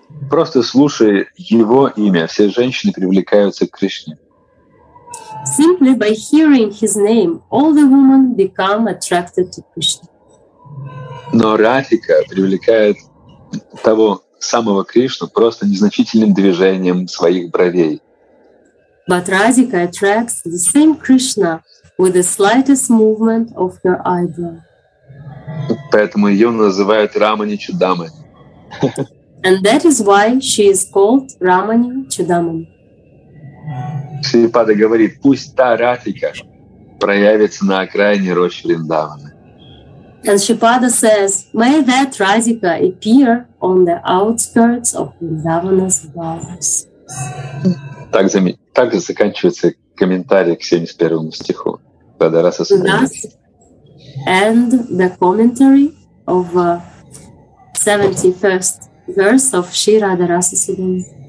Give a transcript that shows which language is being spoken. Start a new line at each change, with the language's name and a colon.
Russian: Просто слушая его имя, все женщины привлекаются к Кришне.
English: Simply by hearing his name, all the women become attracted to Krishna.
Russian: Но Радхика привлекает того самого Кришну просто незначительным движением своих бровей.
English: But Radhika attracts the same Krishna with the slightest movement of her eyebrow.
Russian: Поэтому ее называют Рамани Чудамани.
English: And that is why she is called Рамани Чудамани.
Russian: Шрипада говорит, пусть та Радхика проявится на окраине рощи Вриндавана.
English: And Shripada says, may that Radhika appear on the outskirts of Vrindavana's bowers.
Russian: Так заканчивается комментарий к 71-му стиху.
English: And the commentary of 71st verse of Shri Radharasa Sudama.